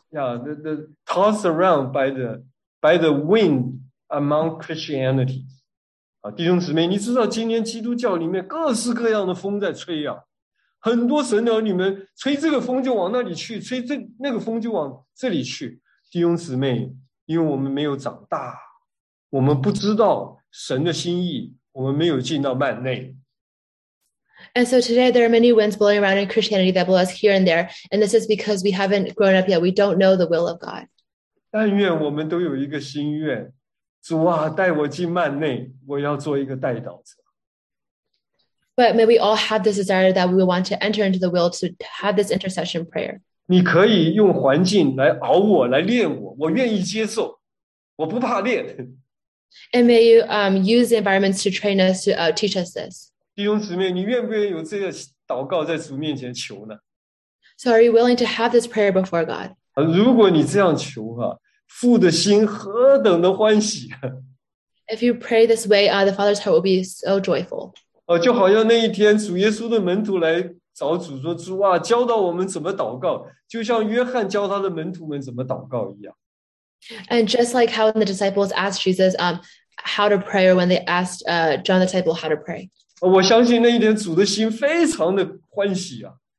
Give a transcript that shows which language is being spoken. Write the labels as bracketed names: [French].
[English] Yeah, the tossed around by the wind. Among Christianity, [Chinese] 啊，弟兄姊妹，你知道今天基督教里面各式各样的风在吹呀，很多神的儿女们吹这个风就往那里去，吹这那个风就往这里去。弟兄姊妹，因为我们没有长大，我们不知道神的心意，我们没有进到幔内。 [English] And so today there are many winds blowing around in Christianity that blow us here and there, and this is because we haven't grown up yet. We don't know the will of God. [Chinese] 但愿我们都有一个心愿。主啊，带我进幔内，我要做一个代祷者。 [English] But may we all have this desire that we want to enter into the will to have this intercession prayer. [Chinese] 你可以用环境来熬我，来练我，我愿意接受，我不怕练。 [English] And may you use the environments to train us to teach us this. [Chinese] 弟兄姊妹，你愿不愿意有这个祷告在主面前求呢？ [English] So are you willing to have this prayer before God? [Chinese] 如果你这样求啊，父的心何等的欢喜啊。 [English] If you pray this way, the Father's heart will be so joyful. [Chinese] 就好像那一天主耶稣的门徒来找主说，主啊，教导我们怎么祷告，就像约翰教他的门徒们怎么祷告一样。 [English] And just like how the disciples asked Jesus how to pray, or when they asked John the disciple how to pray. [Chinese] 我相信那一天主的心非常的欢喜啊。